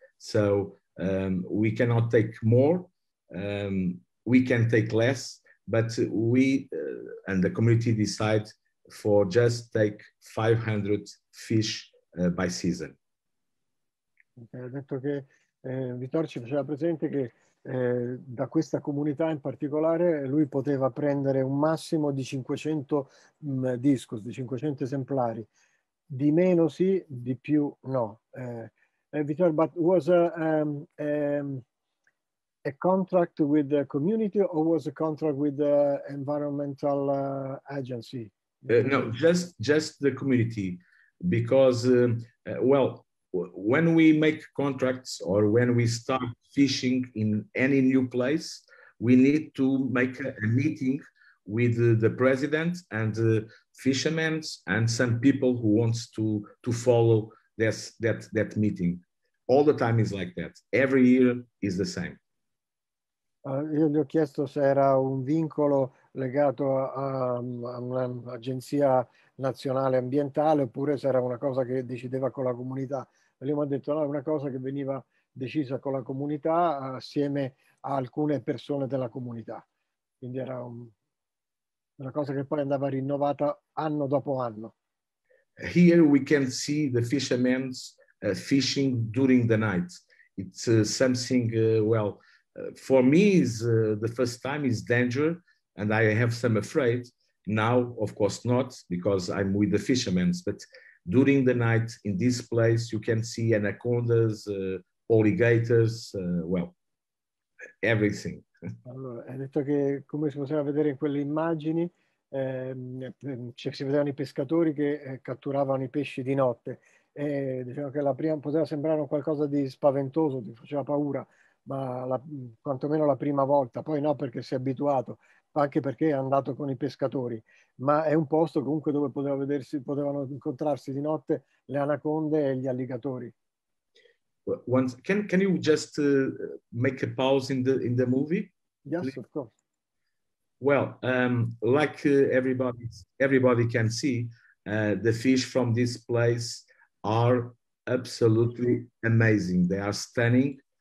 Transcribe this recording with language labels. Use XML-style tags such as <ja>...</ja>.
<en>So we cannot take more, we can take less, but we and the community decide for just take 500 fish by season.</en> <it>Ha detto che Vittorio ci faceva presente che da questa comunità in particolare lui poteva prendere un massimo di 500 discus, di 500 esemplari. Di meno sì, di più no.</it> <en>Vittorio, but was a contract with the community or was a contract with the environmental agency? No, just the community, because well, when we make contracts or when we start fishing in any new place, we need to make a meeting with the president and the fishermen and some people who wants to follow that meeting. All the time is like that. Every year is the same.</en> <it>Io gli ho chiesto se era un vincolo legato a un'agenzia nazionale ambientale oppure se era una cosa che decideva con la comunità. E lui mi ha detto no, è una cosa che veniva decisa con la comunità assieme a alcune persone della comunità. Quindi era una cosa che poi andava rinnovata anno dopo anno.</it> <en>Here we can see the fishermen fishing during the night. It's something, well... for me, is the first time is danger, and I have some afraid. Now, of course, not, because I'm with the fishermen. But during the night in this place, you can see anacondas, alligators, well, everything.</en> <it>Allora, ha detto che come si poteva vedere in quelle immagini, si vedevano i pescatori che catturavano i pesci di notte. E diciamo che la prima poteva sembrare qualcosa di spaventoso, ti faceva paura. Ma quantomeno la prima volta, poi no perché si è abituato, anche perché è andato con i pescatori, ma è un posto comunque dove potevano incontrarsi di notte le anaconde e gli alligatori.</it> <en>Once, can you just make a pause in the movie? Yes, please. Of course. Well, like everybody can see, the fish from this place are absolutely amazing. They are stunning.</en>